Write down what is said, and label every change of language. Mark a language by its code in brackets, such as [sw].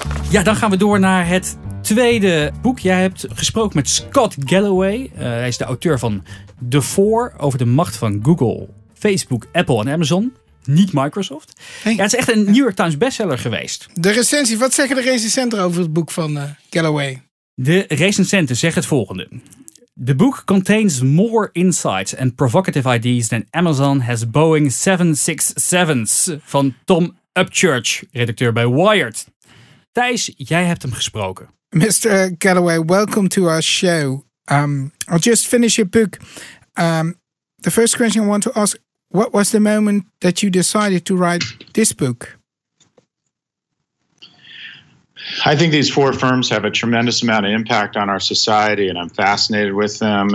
[nl] Ja, dan gaan we door naar het tweede boek. Jij hebt gesproken met Scott Galloway. Hij is de auteur van The Four over de macht van Google, Facebook, Apple en Amazon. Niet Microsoft. Hey. Ja, het is echt een New York Times bestseller geweest. De recensie, wat zeggen de recensenten over het boek van Galloway? De recensenten zeggen het volgende. [en] The book contains more insights and provocative ideas than Amazon has Boeing 767's. [nl] Van Tom Upchurch, redacteur bij Wired. Thijs, jij hebt hem gesproken. [en] Mr. Galloway, welcome to our show. I'll just finish your book. The first question I want to ask, what was the moment that you decided to write this book? I think these four firms have a tremendous amount of impact on our society, and I'm fascinated with them.